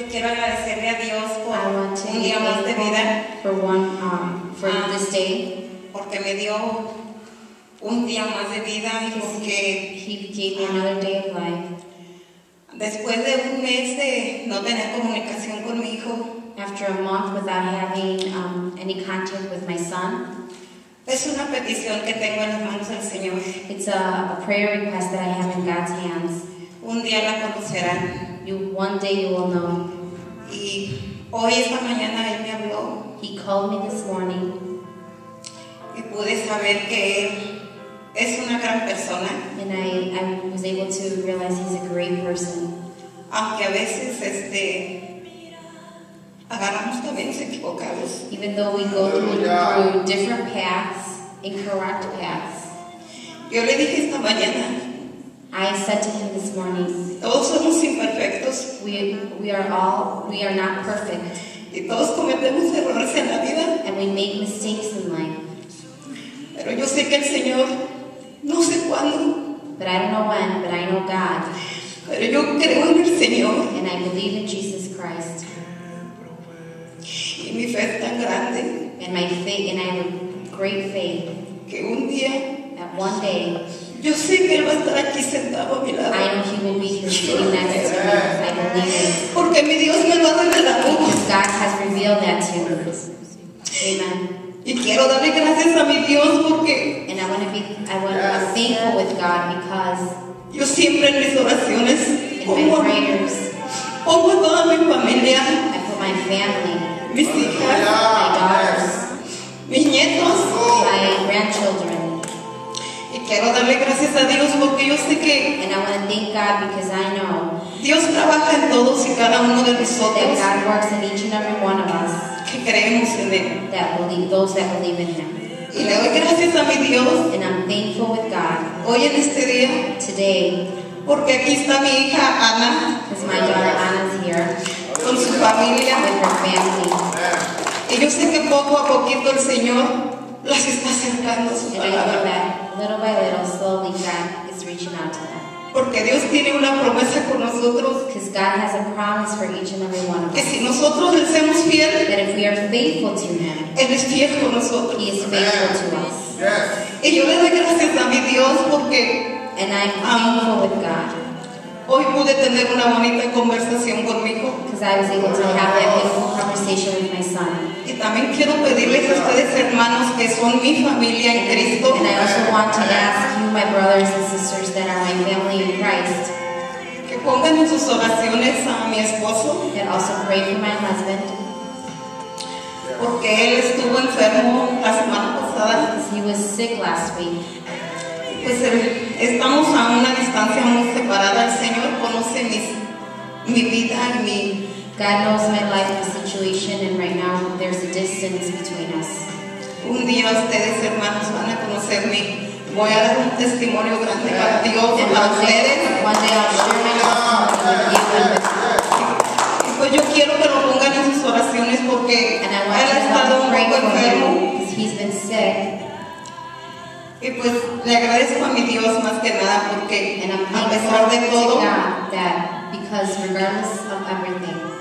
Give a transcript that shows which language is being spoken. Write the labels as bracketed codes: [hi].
[es] Yo quiero agradecerle a Dios por un día más de vida. [en] For one, for this day. [es] Porque me dio un día más de vida y porque [en] He gave me another day of life. [es] Después de un mes de no tener comunicación con mi hijo, [en] after a month without having any contact with my son, [es] es una petición que tengo en las manos del Señor. [en] It's a prayer request that I have in God's hands. [es] Un día la conocerán. [en] One day you will know. [es] Y hoy esta mañana él me habló. [en] He called me this morning. [es] Y pude saber que él es una gran persona. [en] And I was able to realize he's a great person. [es] Aunque a veces agarramos caminos equivocados. [en] Even though we go through different paths, incorrect paths. [es] Yo le dije esta mañana. [en] I said to him this morning. [es] Todos somos imperfectos. [en] We are not perfect. [es] Y todos cometemos errores en la vida. [en] And we make mistakes in life. [es] Pero yo sé que el Señor, no sé cuándo. [en] But I don't know when, but I know God. [es] Pero yo creo en el Señor. [en] And I believe in Jesus Christ. [es] Y mi fe es tan grande. [en] And my faith, and I have a great faith. [es] Que un día, [en] that one day, [es] yo sé que él va a estar aquí sentado a mi lado. [en] I know he will be here sitting next to me. I believe it. [es] Porque mi Dios me lo ha revelado. [en] God has revealed that to me. Amen. [es] Y quiero darle gracias a mi Dios porque. [en] And I want to be thankful with God because. [es] Yo siempre en mis oraciones. Pongo toda mi familia. [en] I put my family. [es] Mis hijas. [en] My daughters. [es] Mis nietos. [en] My grandchildren. [es] Y quiero darle gracias a Dios porque yo sé que. [en] And I want to thank God because I know. [es] Dios trabaja en todos y cada uno de nosotros. [en] That God works in each and every one of us. [es] Que creemos en él. [en] That believe, those that believe in him. [es] Y le doy gracias a mi Dios. [en] And I'm thankful with God. [es] Hoy en este día. [en] Today. [es] Porque aquí está mi hija Ana. [en] Because my daughter Ana is here. [es] Con su familia. [en] With her family. [es] Y yo sé que poco a poquito el Señor las está acercando a su palabra. [en] Little by little, slowly, God is reaching out to them. [es] Porque Dios tiene una promesa con nosotros. [en] Because God has a promise for each and every one of us. [es] Que si nosotros le somos fieles. [en] That if we are faithful to Him. [es] Él es fiel con nosotros. [en] He is faithful to us. Yes. [es] Y yo le doy gracias a mi Dios porque. [en] And I'm thankful with God. [es] Hoy pude tener una bonita conversación conmigo. [en] Because I was able to have that beautiful conversation with my son. [es] Y también quiero pedirles a ustedes hermanos que son mi familia en Cristo. [en] And I also want to ask you, my brothers and sisters that are my family in Christ. [es] Que pongan en sus oraciones a mi esposo. [en] And also pray for my husband. [es] Porque él estuvo enfermo la semana pasada. [en] Because he was sick last week. [es] Pues estamos a una distancia muy separada. El Señor conoce mi vida y mi. [en] God knows my life and situation, and right now there's a distance between us. [es] Un día ustedes hermanos van a conocerme. Voy a dar un testimonio grande para Dios para ustedes. [en] One day I'll share my testimony with you. [es] Pues yo quiero que lo pongan en sus oraciones porque él ha estado un poco enfermo. [en] He's been sick. [es] Y pues le agradezco a mi Dios más que nada porque a pesar de todo. [en] Because regardless of everything.